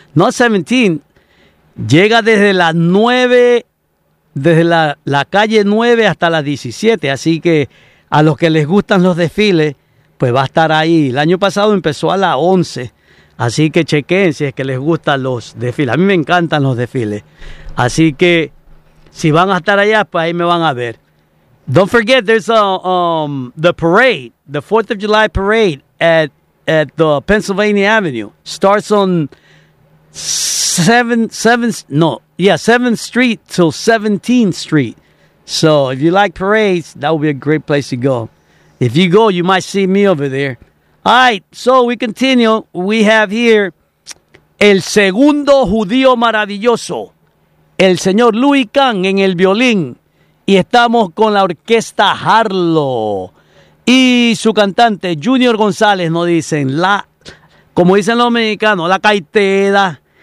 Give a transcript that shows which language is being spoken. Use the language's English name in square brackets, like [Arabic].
[Spanish] No 17, llega desde la 9, desde la calle 9 hasta la 17. Así que a los que les gustan los desfiles, pues va a estar ahí. El año pasado empezó a la 11, así que chequen si es que les gustan los desfiles. A mí me encantan los desfiles. Así que si van a estar allá, pues ahí me van a ver. [English] Don't forget, there's the parade, the 4th of July parade at the Pennsylvania Avenue. Starts on 7th Street till 17th Street. So if you like parades, that would be a great place to go. If you go, you might see me over there. All right, so we continue. We have here [Spanish] El Segundo Judío Maravilloso, el señor Luis Kahn en el violín. Y estamos con la orquesta Harlow y su cantante Junior González, nos dicen, como dicen los mexicanos, la caiteda.